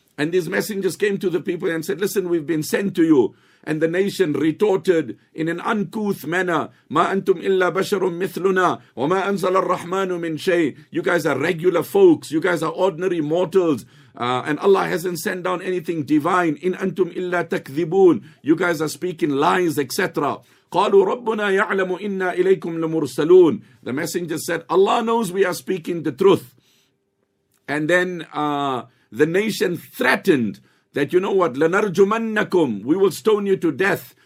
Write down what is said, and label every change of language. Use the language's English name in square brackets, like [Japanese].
[English] And these messengers came to the people and said, listen, we've been sent to you. And the nation retorted in an uncouth manner, [Arabic] مَا أَنْتُمْ إِلَّا بَشَرٌ مِثْلُنَا وَمَا أَنْزَلَ الرَّحْمَانُ مِنْ شَيْءٍ. [English] You guys are regular folks. You guys are ordinary mortals. And Allah hasn't sent down anything divine. [Arabic] إِنْ أَنْتُمْ إِلَّا تَكْذِبُونَ. [English] You guys are speaking lies, etc. [Arabic] قَالُوا رَبُّنَا يَعْلَمُ إِنَّا إِلَيْكُمْ لَمُرْسَلُونَ. [English] The messenger said, Allah knows we are speaking the truth. And then the nation threatened that, you know what, [Arabic] لَنَرْجُمَنَّكُمْ, [English] we will stone you to death.